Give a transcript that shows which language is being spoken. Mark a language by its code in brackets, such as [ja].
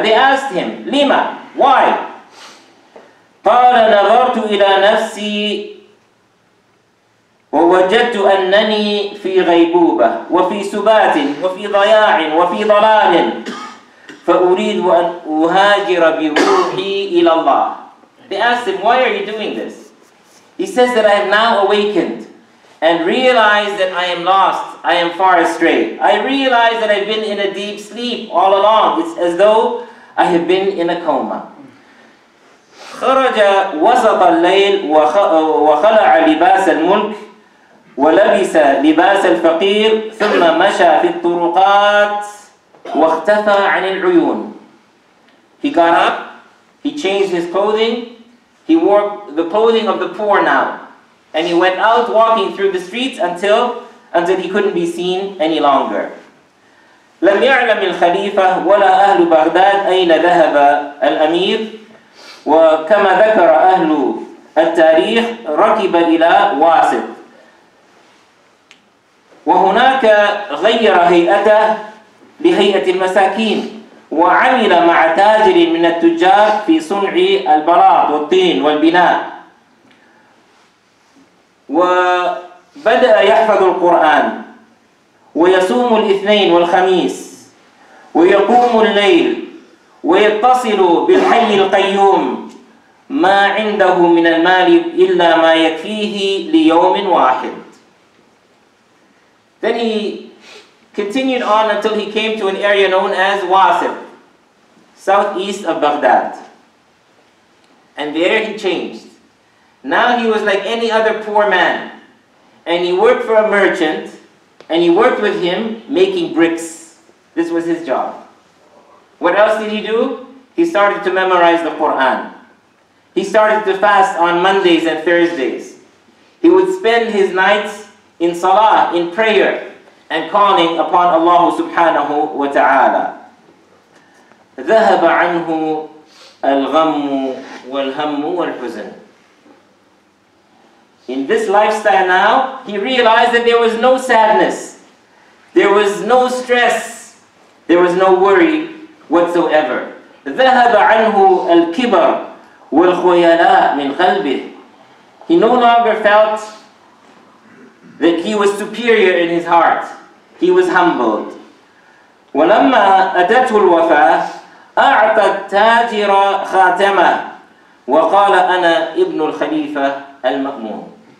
[en] They asked him, Lima, why? [ar] قَالَ نَظَرْتُ إِلَىٰ نَفْسِي وَوَجَدْتُ أَنَّنِي فِي غَيْبُوبَةٍ وَفِي سُبَاتٍ وَفِي ضَيَاعٍ وَفِي ضَلَالٍ فَأُرِيدُ أَنْ أُهَاجِرَ بِرُوحِي إِلَى اللَّهِ. [en] They asked him, why are you doing this? He says that I have now awakened and realized that I am lost, I am far astray. I realize that I've been in a deep sleep all along. It's as though I have been in a coma. [ar] خرج وسط الليل وخلع لباس الملك ولبس لباس الفقير ثم مشى في الطرقات واختفى عن العيون. [en] He got up, he changed his clothing, he wore the clothing of the poor now, and he went out walking through the streets until he couldn't be seen any longer. [ar] لم يعلم الخليفة ولا أهل بغداد أين ذهب الأمير. وكما ذكر أهل التاريخ ركب إلى واسط وهناك غير هيئته لهيئة المساكين وعمل مع تاجر من التجار في صنع البلاط والطين والبناء وبدأ يحفظ القرآن ويصوم الاثنين والخميس ويقوم الليل ويتصل بالحي القيوم ما عنده من المال إلا ما يكفيه ليوم واحد. [en] Then he continued on until he came to an area known as Wasif, southeast of Baghdad. And there he changed. Now he was like any other poor man. And he worked for a merchant, and he worked with him making bricks. This was his job. What else did he do? He started to memorize the Quran. He started to fast on Mondays and Thursdays. He would spend his nights in salah, in prayer, and calling upon Allah subhanahu wa ta'ala. [ar] ذَهَبَ عَنْهُ الْغَمُّ وَالْهَمُّ وَالْحُزَنُ. [en] In this lifestyle now, he realized that there was no sadness, there was no stress, there was no worry whatsoever. [ar] ذَهَبَ عَنْهُ الْكِبَرُ والخيلاء من قلبه. [en] He no longer felt that he was superior in his heart. He was humbled. [ar] ولما أتته الوفاة أعطى التاجر خاتمة وقال أنا ابن الخليفة المأمون.